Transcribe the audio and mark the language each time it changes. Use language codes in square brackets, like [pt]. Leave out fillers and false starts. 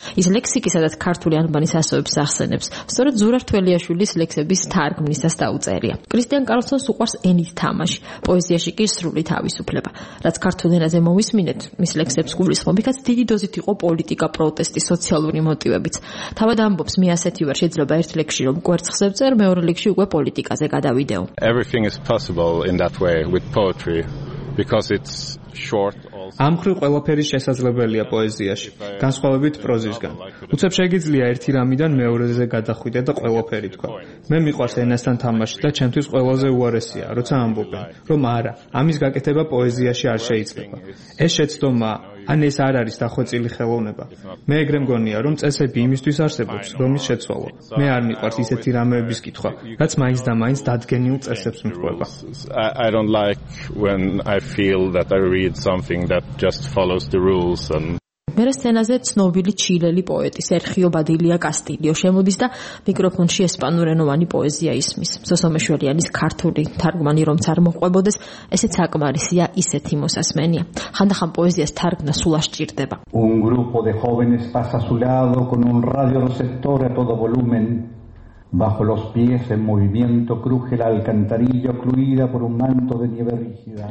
[ka] ის ლექსიკი, სადაც ქართული ანბანის ასოებს ახსენებს, სწორედ ზურა რთველიაშვილის ლექსების თარგმნისას დაუწერია. კრისტიან კარლსონს უყვარს ენის თამაში, პოეზიაში კი სრული თავისუფლება. რაც ქართულ ენაზე მოვისმინეთ, მის ლექსებს გულისხმობ, იქაც დიდი დოზით იყო პოლიტიკა, პროტესტი, სოციალური მოტივებიც. თავად ამბობს, მე ასეთი ვარ, შეიძლება ერთ ლექსში რომ კვერცხზე წერ, მეორე ლექსში უკვე პოლიტიკა. [en] Everything is possible in that way with poetry because it's short also. [ka] ამხრივ ყველაფერი შესაძლებელია პოეზიაში, განსხვავებით პროზისგან. უცებ შეიძლება ერთი რამიდან მეორეზე გადახვიდე და ყველაფერი თქვა. მე მიყვარს ენასთან თამაში და ჩემთვის ყველაზე უარესია, როცა ამბობენ, რომ არა, ამის გაკეთება პოეზიაში არ შეიძლება. ეს შეცდომა ან ეს არ არის დახვეწილი ხელოვნება. მე ეგრე მგონია, რომ წესები იმისთვის არსებობს, რომ ის შეცვალო. მე არ მიყვარს ისეთი რამეების კითხვა, რაც მაინც და მაინც დადგენილ წესებს მიყვება. [en] I don't like when I feel that I read something that just follows the rules and [ka] მერე სცენაზე ცნობილი ჩილელი პოეტი სერხიო ბადილია კასტილიო შემოდის და მიკროფონში ესპანურენოვანი პოეზია ისმის. სოსომეშველიანის ქართული თარგმანი რომც არ მოყვებოდეს, ესეც აკმარისია, ისეთი მოსასმენია. ხანდახან პოეზიას თარგმნა სულ აღჭირდება. [es] Un grupo de jóvenes pasa a su lado con un radio receptor a todo volumen. Bajo los pies en movimiento cruje la alcantarilla ocluida por un manto de nieve rígida.